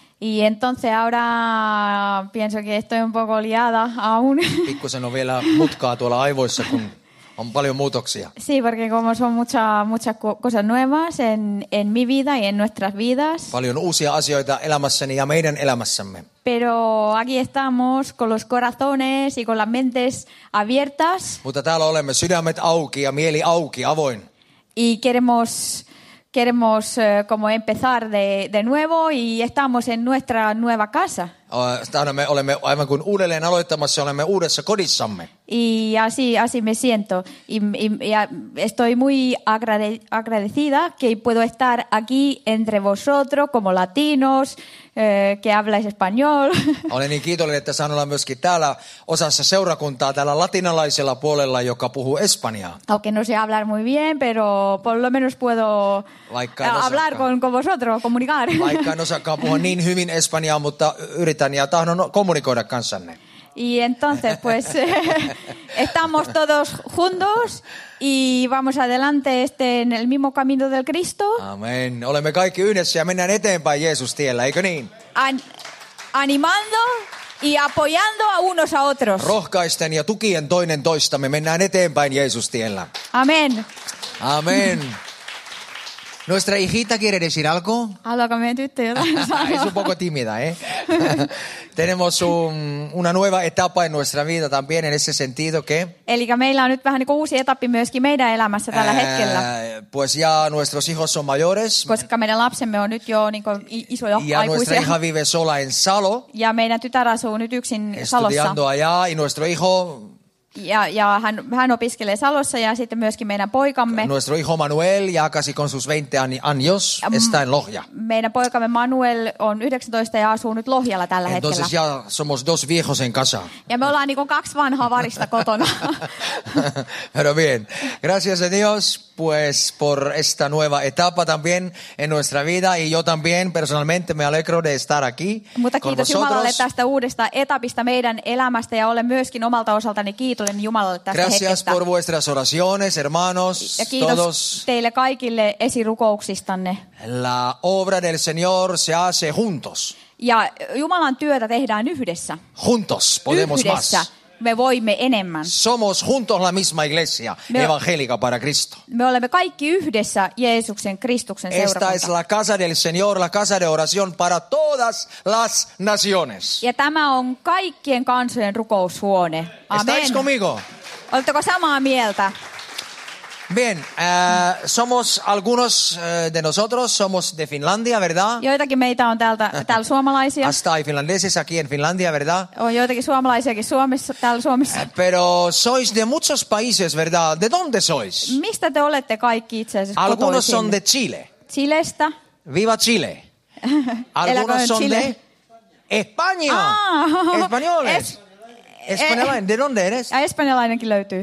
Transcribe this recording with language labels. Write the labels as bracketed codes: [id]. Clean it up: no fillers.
[es] Y entonces ahora pienso que estoy un poco liada aún. [fi] Pikkusen on vielä mutkaa tuolla aivoissa, kun on paljon muutoksia. [es] Sí, porque como son muchas cosas nuevas en mi vida y en nuestras vidas. [fi] Paljon uusia asioita elämässäni ja meidän elämässämme. [es] Pero aquí estamos con los corazones y con las mentes abiertas. [fi] Mutta täällä olemme sydämet auki ja mieli auki, avoin. [es] Y queremos como empezar de nuevo y estamos en nuestra nueva casa. [fi] Olemme aivan kuin uudelleen aloittamassa, olemme uudessa kodissamme. [es] Y así me siento. Y estoy muy agradecida que puedo estar aquí entre vosotros como latinos, que habláis español. [fi] Olen niin kiitollinen, että saan olla myöskin täällä osassa seurakuntaa, täällä latinalaisella puolella, joka puhuu espanjaa. [es] Aunque no sé hablar muy bien, pero por lo menos puedo hablar con vosotros, comunicar. [fi] Vaikka en osakaan puhua niin hyvin espanjaa, mutta yritän ja tahdon kommunikoida kanssanne. [es] Y entonces, pues, estamos todos juntos y vamos adelante en el mismo camino del Cristo. Amén. [fi] Olemme kaikki yhdessä ja mennään eteenpäin Jeesus tiellä, eikö niin? [es] Animando y apoyando a unos a otros. [fi] Rohkaisten ja tukien toinen toista, me mennään eteenpäin Jeesus tiellä. [es] Amén. Amén. Nuestra hijita quiere decir algo. Habla con mi tita, yo también. Es un poco tímida, ¿eh? Tenemos una nueva etapa en nuestra vida también en ese sentido que. [fi] Eli que meillä on nyt vähän niinku uusi etappi myöskin meidän elämässä tällä hetkellä. [es] Pues ya nuestros hijos son mayores. [fi] Koska meidän lapsemme on nyt jo niinku isoja aikuisia. [es] Ja nuestra hija vive sola en Salo. [fi] Ja meidän tytär asuu nyt yksin Salossa. [es] Estudiando allá y nuestro hijo. [fi] Ja hän opiskelee Salossa ja sitten myöskin meidän poikamme. [es] Nuestro hijo Manuel ya casi con sus 20 años está en Lohja. [fi] Meidän poikamme Manuel on 19 ja asuu nyt Lohjalla tällä [es] Entonces [fi] hetkellä. [es] Entonces ya somos dos viejos en casa. [fi] Ja me ollaan niinku kaksi vanhaa varista kotona. [es] Pero bien, gracias a Dios pues por esta nueva etapa también en nuestra vida y yo también personalmente me alegro de estar aquí. [fi] Mutta kiitos Jumalalle tästä uudesta etapista meidän elämästä ja olen myöskin omalta osaltani kiitollinen Jumalalle tästä hetkestä. Gracias hetkestä. [es] Por vuestras oraciones, hermanos, [fi] ja kiitos [es] todos. [fi] Teille kaikille esirukouksistanne. [es] La obra del Señor se hace juntos. [fi] Ja Jumalan työtä tehdään yhdessä. [es] Juntos podemos [fi] yhdessä. [es] Más. [fi] Me voimme enemmän. [es] Somos juntos la misma iglesia, evangélica para Cristo. [fi] Me olemme kaikki yhdessä Jeesuksen, Kristuksen seurakunta. [es] Esta es la casa del Señor, la casa de oración para todas las naciones. [fi] Ja tämä on kaikkien kansojen rukoushuone. [es] Amen. ¿Estáis conmigo? [fi] Oletteko samaa mieltä? [es] Bien, somos algunos de nosotros, somos de Finlandia, ¿verdad? [fi] Joitakin meitä on täällä suomalaisia. [es] Hasta hay finlandeses aquí en Finlandia, ¿verdad? [fi] On joitakin suomalaisiakin Suomessa, täällä Suomessa. [es] Pero sois de muchos países, ¿verdad? ¿De dónde sois? [fi] Mistä te olette kaikki itse asiassa kotoisin? [es] Algunos son de Chile. [fi] Chilestä. [es] Viva Chile. Algunos son Chile? De España. Españoles. Españoles. ¿De dónde eres? [fi] Espanjalainenkin löytyy.